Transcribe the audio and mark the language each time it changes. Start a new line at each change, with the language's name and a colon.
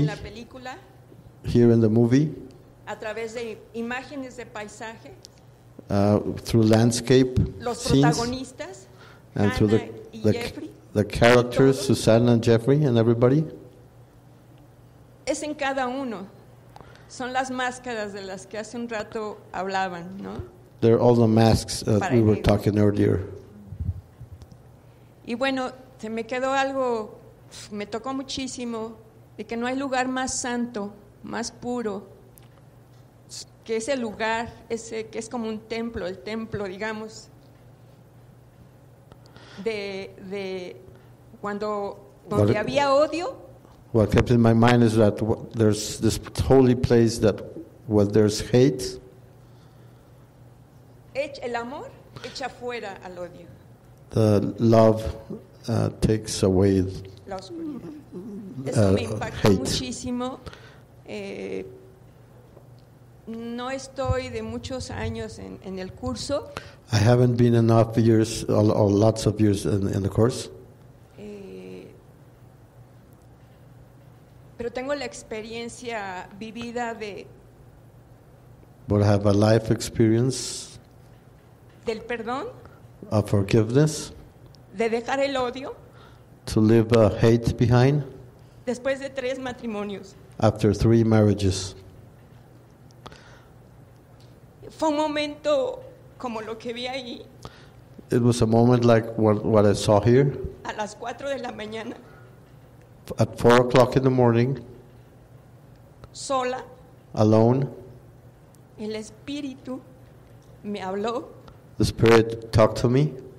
Spanish: En la película.
English: Here in the movie.
Spanish: A través de imágenes de paisaje.
English: Through landscape.
Spanish: Los
English: scenes,
Spanish: protagonistas.
English: And Hannah through the characters, Susana and Jeffrey and everybody.
Spanish: Es en cada uno. Son las máscaras de las que hace un rato hablaban, ¿no?
English: They're all the masks that we were talking earlier.
Spanish: Y bueno, se me quedó algo, me tocó muchísimo, de que no hay lugar más santo, más puro, que ese lugar, ese que es como un templo, el templo, digamos, de cuando donde había odio.
English: What kept in my mind is that there's this holy place that where there's hate.
Spanish: El amor echa fuera al odio.
English: The love takes away
Spanish: la oscuridad. Eso me impactó muchísimo. No estoy de muchos años en el curso.
English: I haven't been enough years or lots of years in the course.
Spanish: Pero tengo la experiencia vivida de.
English: But I have a life experience.
Spanish: Del perdón,
English: a forgiveness,
Spanish: de dejar el odio,
English: to leave hate behind,
Spanish: después de tres matrimonios,
English: after three marriages.
Spanish: Fue un momento como lo que vi ahí.
English: It was a moment like what I saw here.
Spanish: A las 4 de la mañana.
English: At 4 o'clock in the morning.
Spanish: Sola.
English: Alone.
Spanish: El espíritu me habló.
English: The Spirit talked to me.